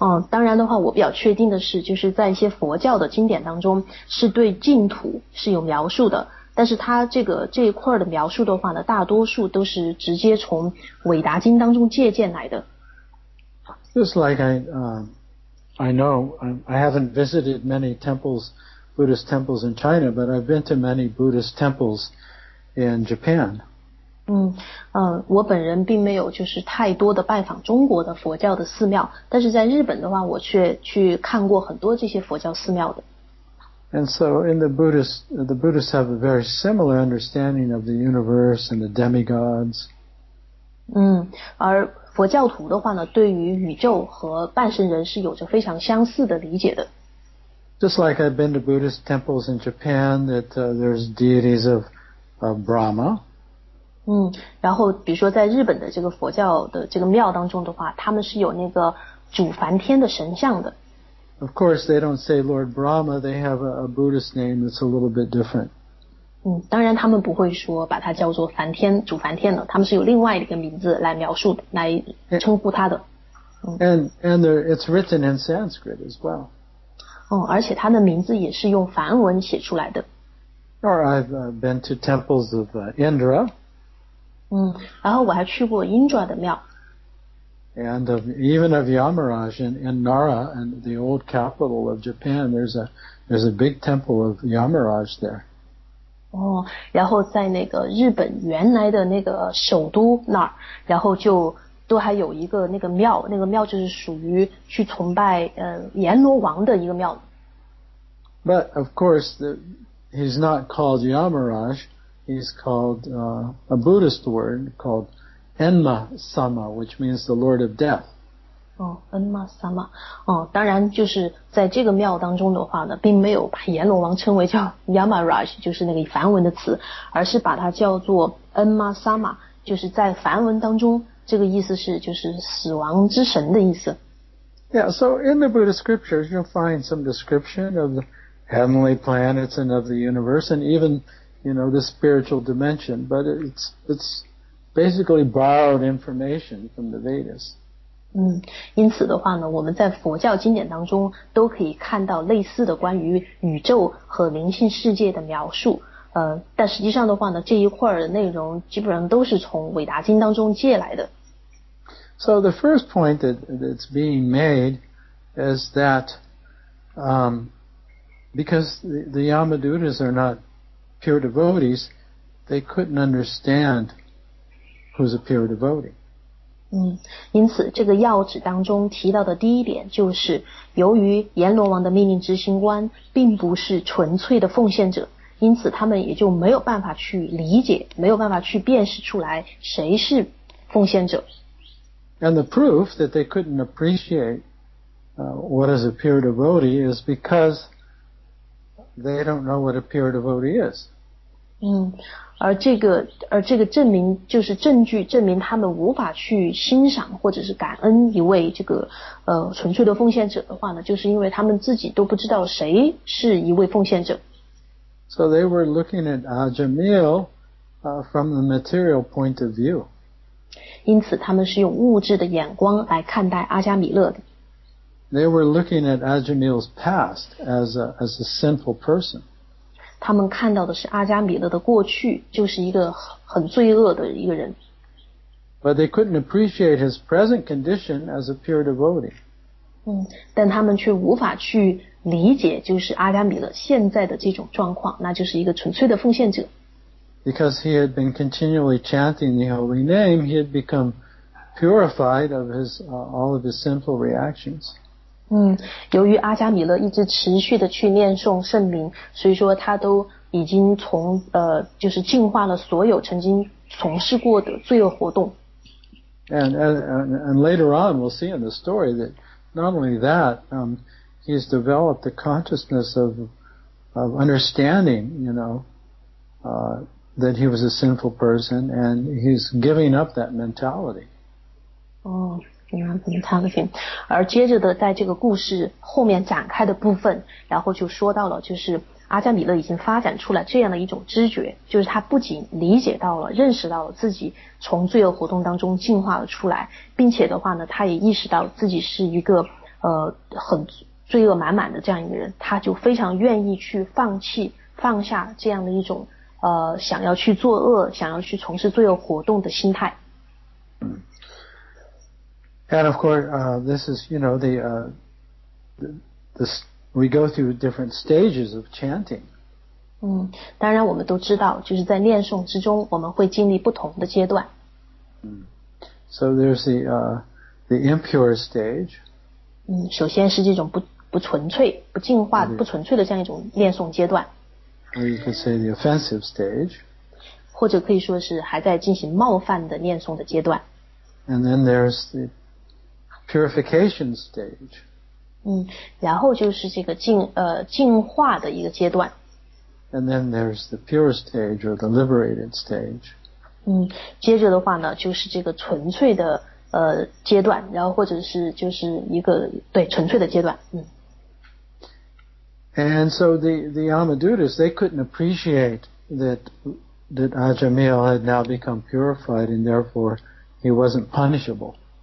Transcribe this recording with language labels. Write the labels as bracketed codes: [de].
[zh] 当然的话我比较确定的是就是在一些佛教的经典当中是对净土是有描述的，但是它这一块的描述的话呢，大多数都是直接从韦达经当中借鉴来的。 [en] Just like I know I haven't visited many temples, Buddhist temples in China, but I've been to many Buddhist temples in Japan. [zh] 我本人并没有就是太多的拜访中国的佛教的寺庙，但是在日本的话我却去看过很多这些佛教寺庙的。 [en] And so in the Buddhists have a very similar understanding of the universe and the demigods. [zh] 而佛教徒的话呢，对于宇宙和半神人是有着非常相似的理解的。 [en] Just like I've been to Buddhist temples in Japan that there's deities of Brahma. [zh] 然后比如说在日本的这个佛教的这个庙当中的话，他们是有那个主梵天的神像的。 [en] Of course, they don't say Lord Brahma. They have a Buddhist name that's a little bit different. [zh] 当然他们不会说把它叫做梵天、主梵天了，他们是有另外一个名字来描述、来称呼他的。 [en] And it's written in Sanskrit as well. [zh] 而且他的名字也是用梵文写出来的。 [en] Or I've been to temples of Indra. [zh] 然后我还去过英爪的庙。 [en] And of, even of Yamaraj in Nara, and the old capital of Japan, there's a big temple of Yamaraj there. [zh] 然后在那个日本原来的那个首都那儿，然后就都还有一个那个庙，那个庙就是属于去崇拜阎罗王的一个庙。 [en] But of course, he's not called Yamaraj. He's called a Buddhist word called Enma Sama, which means the Lord of Death. [zh] Enma Sama. 当然就是在这个庙当中的话呢，并没有把阎罗王称为叫 Yamaraj, 就是那个梵文的词，而是把它叫做 Enma Sama, 就是在梵文当中这个意思是就是死亡之神的意思。 [en] Yeah, so in the Buddhist scriptures, you'll find some description of the heavenly planets and of the universe, and evenyou know, the spiritual dimension, but it's basically borrowed information from the Vedas. [zh] 因此的话呢，我们在佛教经典当中都可以看到类似的关于宇宙和灵性世界的描述，但实际上的话呢，这一块的内容基本上都是从韦达经当中借来的。 [en] So the first point that's being made is that, because the Yamadutas are notpure devotees, they couldn't understand who's a pure devotee. [zh] 因此这个要旨当中提到的第一点就是由于阎罗王的命令执行官并不是纯粹的奉献者，因此他们也就没有办法去理解，没有办法去辨识出来谁是奉献者。 [en] And the proof that they couldn't appreciate what is a pure devotee is becausethey don't know what a pure devotee is. [zh] 而这个证明就是证据，证明他们无法去欣赏或者是感恩一位这个纯粹的奉献者的话呢，就是因为他们自己都不知道谁是一位奉献者。 [en] So they were looking at Ajamil, from the material point of view. [zh] 因此他们是用物质的眼光来看待阿加米勒的。 [en] They were looking at Ajamil's past as a sinful person. [zh] 他们看到的是阿加米勒的过去，就是一个很罪恶的一个人。 [en] But they couldn't appreciate his present condition as a pure devotee. [zh] 嗯，但他们却无法去理解，就是阿加米勒现在的这种状况，那就是一个纯粹的奉献者。 [en] Because he had been continually chanting the holy name, he had become purified of his, all of his sinful reactions. [zh] 由于阿加米勒一直持续的去念诵圣名，所以说他都已经从就是净化了所有曾经从事过的罪恶活动。 [en] And later on we'll see in the story that not only that, he's developed the consciousness of understanding, you know, that he was a sinful person, and he's giving up that mentality. Mentality. [zh] 而接着的在这个故事后面展开的部分，然后就说到了，就是阿加米勒已经发展出来这样的一种知觉，就是他不仅理解到了，认识到了自己从罪恶活动当中进化了出来，并且的话呢，他也意识到自己是一个很罪恶满满的这样一个人，他就非常愿意去放弃放下这样的一种想要去作恶想要去从事罪恶活动的心态。 [en] And of course, this is, you know, we go through different stages of chanting. [zh] 当然我们都知道，就是在念诵之中，我们会经历不同的阶段。 [en] So there's the impure stage. [zh] 首先是这种不纯粹、不净化、不纯粹的这样一种念诵阶段。 [en] Or you could say the offensive stage. [zh] 或者可以说是还在进行冒犯的念诵的阶段。 [en] And then there's the purification stage. [zh] 然后就是这个净化的一个阶段。 [en] And then there's the pure stage or the liberated stage. [zh] 接着的话呢，就是这个纯粹的阶段，然后或者是就是一个对纯粹的阶段。 [en] And so the Amadutas, they couldn't appreciate that Ajamil had now become purified and therefore he wasn't punishable.